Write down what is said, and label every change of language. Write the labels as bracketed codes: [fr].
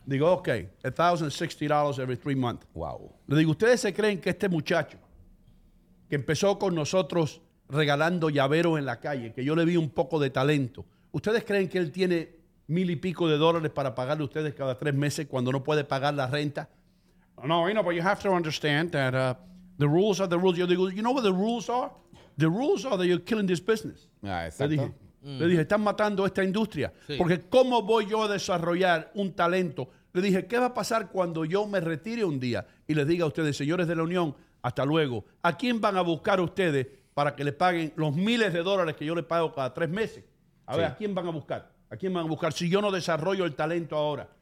[es] Digo, ok, $1,060 every 3 months. Wow. Le digo, ¿ustedes se creen que este muchacho que empezó con nosotros regalando llaveros en la calle, que yo le vi un poco de talento, ¿ustedes creen que él tiene $1,000+ para pagarle a ustedes cada 3 meses cuando no puede pagar la renta? [en] No, you know, but you have to understand that the rules are the rules. [es] Yo digo, [en] you know what the rules are? The rules are that you're killing this business. [es] Ah, exacto. Le dije, están matando esta industria. Sí. Porque ¿cómo voy yo a desarrollar un talento? Le dije, ¿qué va a pasar cuando yo me retire un día y les diga a ustedes, señores de la Unión, hasta luego? ¿A quién van a buscar ustedes para que le paguen los miles de dólares que yo le pago cada 3 meses? A ver, ¿a quién van a buscar? ¿A quién van a buscar si yo no desarrollo el talento ahora?